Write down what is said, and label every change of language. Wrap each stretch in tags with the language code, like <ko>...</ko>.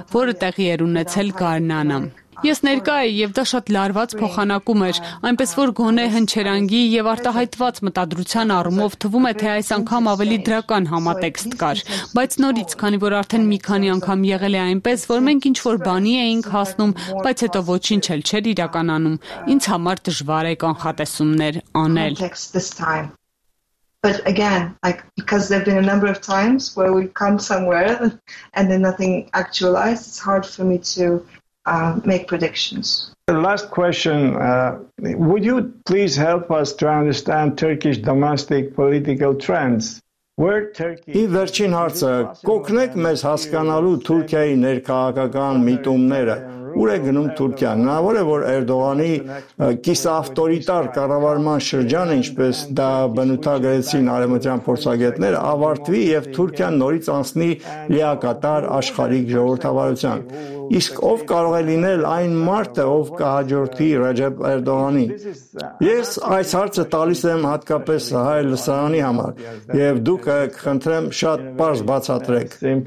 <hy>որը տեղի էր ունեցել Գարնանը։ Ես ներկա էի եւ դա շատ լարված փոխանակում էր, այնպես որ գոնե հնչերանգի եւ արտահայտված մտադրության առումով թվում է, թե այս անգամ ավելի դրական համատեքստ կար, բայց նորից, քանի որ արդեն մի քանի անգամ եղել է այնպես, որ մենք ինչ-որ բանի էինք հասնում, բայց հետո ոչինչ էլ չէր իրականանում, ինձ համար դժվար է կանխատեսումներ անել։</hy> <en>But again, like, because there have been a number of times where we've come somewhere and then nothing actualized, it's hard for me to make predictions. The last question, would you please help us to understand Turkish domestic political trends?</en> <hy>Ի վերջին հարցը, կոգնեք մեզ հասկանալու Թուրքիայի ներքաղաքական միտումները։ Ուր է գնում Թուրքիան։ Հնարավոր է, որ Էրդողանի կիսաավտորիտար կառավարման շրջանը, ինչպես դա բնութագրեցին արևմտյան փորձագետներ, ավարտվի եւ Թուրքիան նորից անցնի լիակատար աշխարհի ժողովրդավարության։ Իսկ ով կարող է լինել այն մարդը, ով կհաջորդի Ռեջեփ Էրդողանին։ Ես այս հարցը տալիս եմ հատկապես հայ լսարանի համար, եւ դուք կխնդրեմ շատ պարզ բացատրեք։</hy>